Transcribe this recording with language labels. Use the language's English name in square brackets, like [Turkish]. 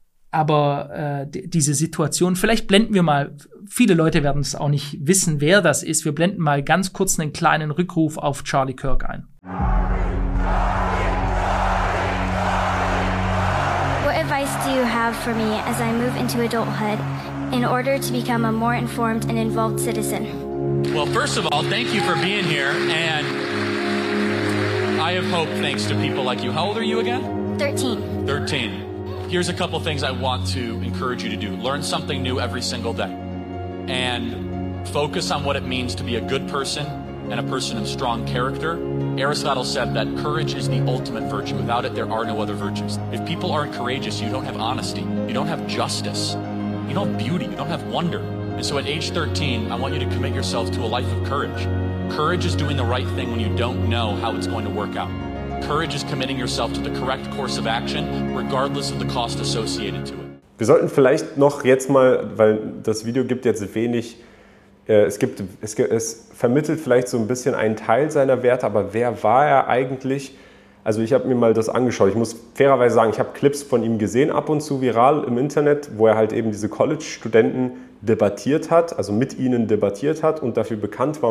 [German] Aber diese Situation, vielleicht blenden wir mal, viele Leute werden es auch nicht wissen, wer das ist. Wir blenden mal ganz kurz einen kleinen Rückruf auf Charlie Kirk ein. [English] For me as I move into adulthood in order to become a more informed and involved citizen. Well, first of all, thank you for being here, and I have hope thanks to people like you. How old are you again? 13. 13. Here's a couple things I want to encourage you to do. Learn something new every single day and focus on what it means to be a good person and a person of strong character. Aristotle said that courage is the ultimate virtue. Without it, there are no other virtues. If people aren't courageous, you don't have honesty. You don't have justice. You don't have beauty. You don't have wonder. And so at age 13, I want you to commit yourself to a life of courage. Courage is doing the right thing when you don't know how it's going to work out. Courage is committing yourself to the correct course of action, regardless of the cost associated to it. [German] Wir sollten vielleicht noch jetzt mal, weil das Video gibt jetzt wenig, es vermittelt vielleicht so ein bisschen einen Teil seiner Werte, aber wer war er eigentlich? Also ich habe mir mal das angeschaut. Ich muss fairerweise sagen, ich habe Clips von ihm gesehen, ab und zu viral im Internet, wo er halt eben diese College-Studenten debattiert hat, also mit ihnen debattiert hat und dafür bekannt war.